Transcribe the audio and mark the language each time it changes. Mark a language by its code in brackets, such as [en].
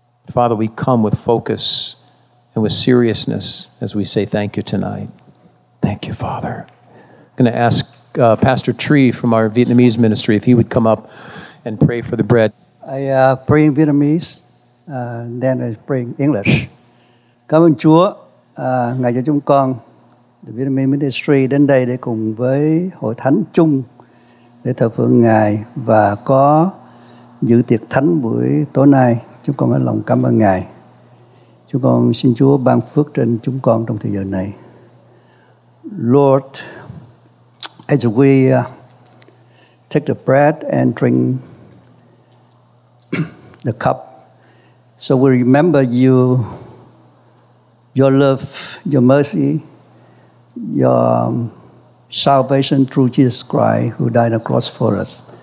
[en] Father, we come with focus and with seriousness as we say thank you tonight. Thank you, Father. I'm going to ask Pastor Tree from our Vietnamese ministry if he would come up and pray for the bread. I pray in Vietnamese, then I pray in English. [vi] Cảm ơn Chúa, Ngài cho chúng con, The Vietnamese Ministry đến đây để cùng với Hội Thánh chung để thờ phượng Ngài và có dự tiệc thánh buổi tối nay. Chúng con ở lòng cảm ơn Ngài. Chúng con xin Chúa ban phước trên chúng con trong thời giờ này. [en] Lord, as we take the bread and drink the cup, so we remember you, your love, your mercy, your salvation through Jesus Christ who died on the cross for us.